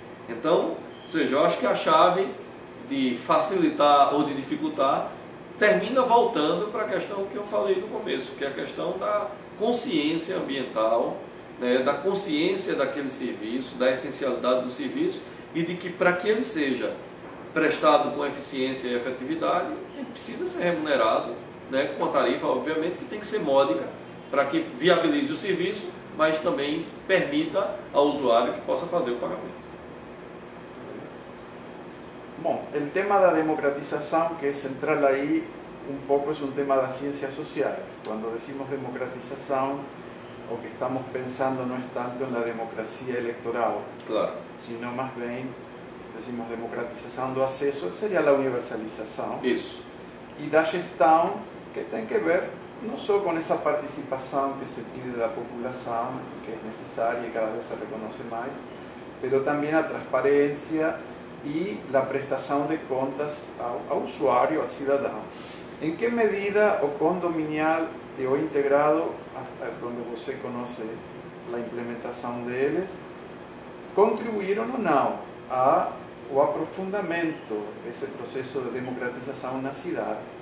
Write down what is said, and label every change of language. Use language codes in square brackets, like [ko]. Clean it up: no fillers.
[pt] Então, ou seja, eu acho que a chave de facilitar ou de dificultar termina voltando para a questão que eu falei no começo, que é a questão da consciência ambiental, né, da consciência daquele serviço, da essencialidade do serviço e de que para que ele seja prestado com eficiência e efetividade, ele precisa ser remunerado, né, com a tarifa, obviamente, que tem que ser módica para que viabilize o serviço, mas também permita ao usuário que possa fazer o pagamento. [es] Bom, el tema de la democratización, que es central ahí, un poco es un tema de las ciencias sociales. Cuando decimos democratización, lo que estamos pensando no es tanto en la democracia electoral, claro, sino más bien, decimos democratización del acceso, sería la universalización. Eso. Y la gestión, que tiene que ver no solo con esa participación que se pide de la población, que es necesaria y cada vez se reconoce más, pero también la transparencia, [pt] e da prestação de contas ao usuário, ao cidadão. Em que medida o condominial e o integrado, quando você conhece a implementação deles, contribuíram ou não ao aprofundamento desse processo de democratização na cidade?